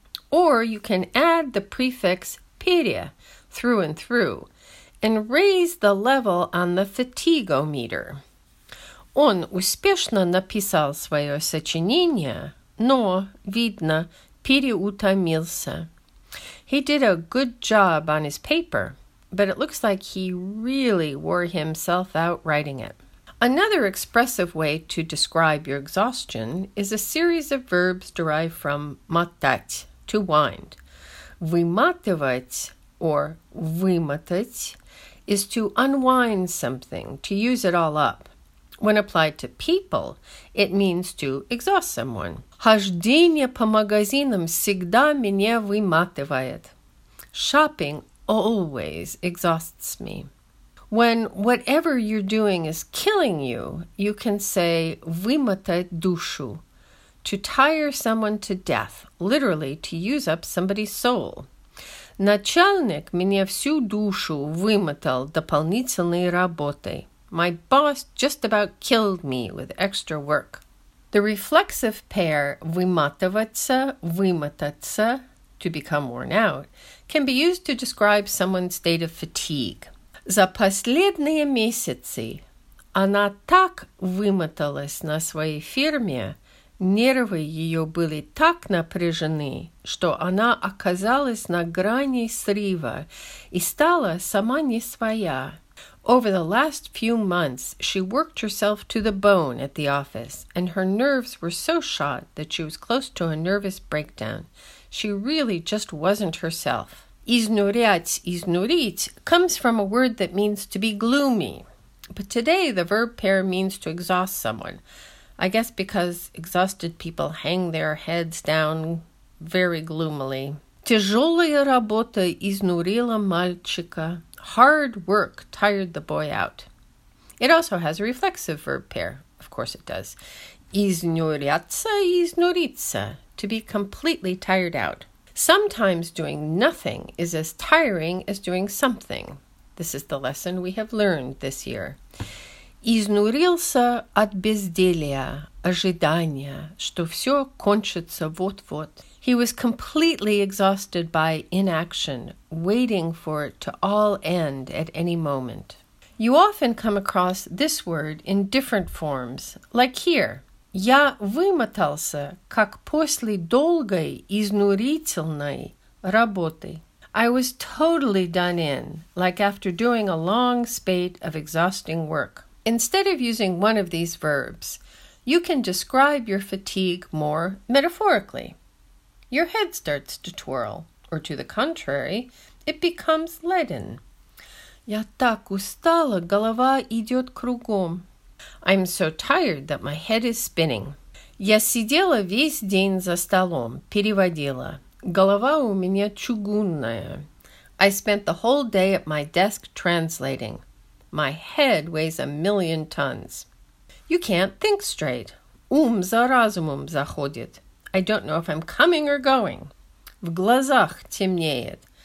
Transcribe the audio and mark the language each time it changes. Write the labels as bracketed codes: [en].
[en] Or you can add the prefix перья, through and through, and raise the level on the fatigometer. [ru] Он успешно написал свое сочинение, но, видно, переутомился. [en] He did a good job on his paper, but it looks like he really wore himself out writing it. Another expressive way to describe your exhaustion is a series of verbs derived from мотать, to wind. Выматывать or вымотать is to unwind something, to use it all up. When applied to people, it means to exhaust someone. [ru] Хождение по магазинам всегда меня выматывает. [en] Shopping always exhausts me. When whatever you're doing is killing you, you can say [ru] вымотать душу, [en] to tire someone to death, literally to use up somebody's soul. [ru] Начальник меня всю душу вымотал дополнительной работой. [en] My boss just about killed me with extra work. The reflexive pair вымотываться, вымотаться, to become worn out, can be used to describe someone's state of fatigue. [ru] За последние месяцы она так вымоталась на своей фирме, нервы ее были так напряжены, что она оказалась на грани срыва и стала сама не своя. [en] Over the last few months, she worked herself to the bone at the office, and her nerves were so shot that she was close to a nervous breakdown. She really just wasn't herself. Изнурять, изнурить comes from a word that means to be gloomy. But today, the verb pair means to exhaust someone. I guess because exhausted people hang their heads down very gloomily. [ru] Тяжелая работа изнурила мальчика. [en] Hard work tired the boy out. It also has a reflexive verb pair. Of course it does. [ru] Изнуряться, изнуриться. [en] To be completely tired out. Sometimes doing nothing is as tiring as doing something. This is the lesson we have learned this year. [ru] Изнурился от безделья, ожидания, что все кончится вот-вот. [en] He was completely exhausted by inaction, waiting for it to all end at any moment. You often come across this word in different forms, like here. [ru] Я вымотался, как после долгой изнурительной работы. [en] I was totally done in, like after doing a long spate of exhausting work. Instead of using one of these verbs, you can describe your fatigue more metaphorically. Your head starts to twirl, or to the contrary, it becomes leaden. [ru] Я так устала, голова идет кругом. [en] I'm so tired that my head is spinning. [ru] Я сидела весь день за столом, переводила. Голова у меня чугунная. [en] I spent the whole day at my desk translating. My head weighs a million tons. You can't think straight. [ru] Ум за разумом заходит. [en] I don't know if I'm coming or going. [ru] В глазах темнеет.